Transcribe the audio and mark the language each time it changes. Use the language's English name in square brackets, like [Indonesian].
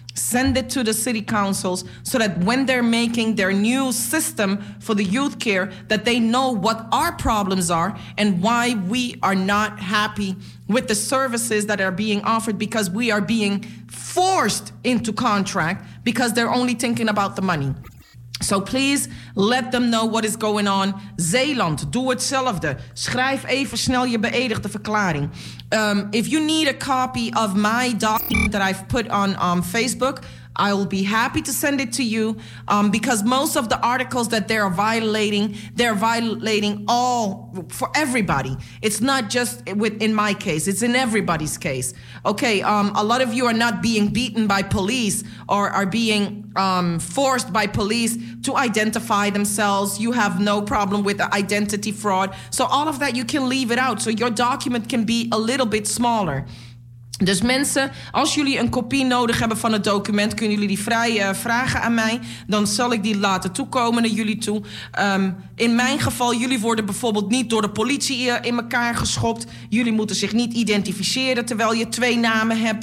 [English] Send it to the city councils so that when they're making their new system for the youth care, that they know what our problems are and why we are not happy with the services that are being offered, because we are being forced into contract because they're only thinking about the money. So please let them know what is going on. [Dutch] Zeeland, doe hetzelfde. Schrijf even snel je beëdigde verklaring. [English] If you need a copy of my document that I've put on Facebook, I'll be happy to send it to you. Because most of the articles that they're violating all for everybody. It's not just in my case, it's in everybody's case. Okay, a lot of you are not being beaten by police or are being forced by police to identify themselves. You have no problem with identity fraud. So all of that, you can leave it out. So your document can be a little bit smaller. [Dutch] Dus mensen, als jullie een kopie nodig hebben van het document, kunnen jullie die vrij vragen aan mij. Dan zal ik die laten toekomen naar jullie toe. In mijn geval, jullie worden bijvoorbeeld niet door de politie in elkaar geschopt. Jullie moeten zich niet identificeren terwijl je twee namen hebt.